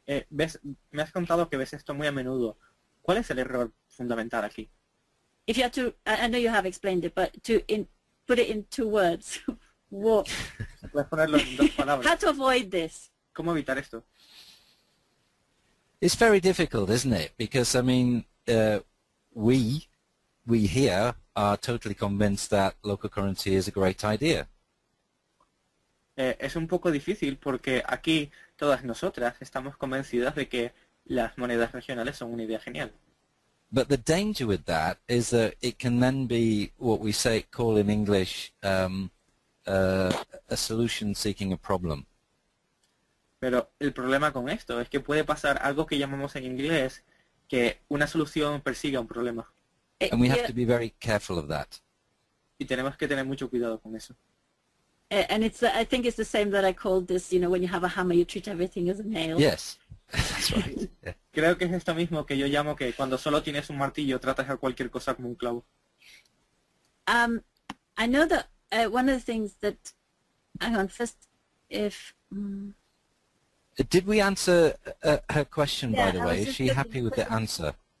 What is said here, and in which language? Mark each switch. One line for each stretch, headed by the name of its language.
Spanish: Me has contado que ves esto muy a menudo. ¿Cuál es el error fundamental aquí?
English: If you have to, I know you have explained it, but to put it in 2 words, what?
Spanish: Puedes ponerlo en 2 palabras.
English: How to avoid this?
Spanish: ¿Cómo evitar esto?
English: It's very difficult, isn't it? Because I mean, we here are totally convinced that local currency is a great idea.
Spanish: Es un poco difícil porque aquí todas nosotras estamos convencidas de que las monedas regionales son una idea genial.
English: But the danger with that is that it can then be what we say call in English a solution seeking a problem.
Spanish: Pero el problema con esto es que puede pasar algo que llamamos en inglés que una solución persiga un problema.
English: And we have to be very careful of that.
Spanish: Y tenemos que tener mucho cuidado con eso.
English: And I think it's the same that I called this, you know, when you have a hammer, you treat everything as a nail. Yes, that's right. Yeah.
Spanish: Creo que es esto mismo que yo llamo que cuando solo tienes un martillo, tratas a cualquier cosa como un clavo.
English: I know that one of the things that, hang on, first, if... Did we answer her question, by the way? Is she happy with the answer?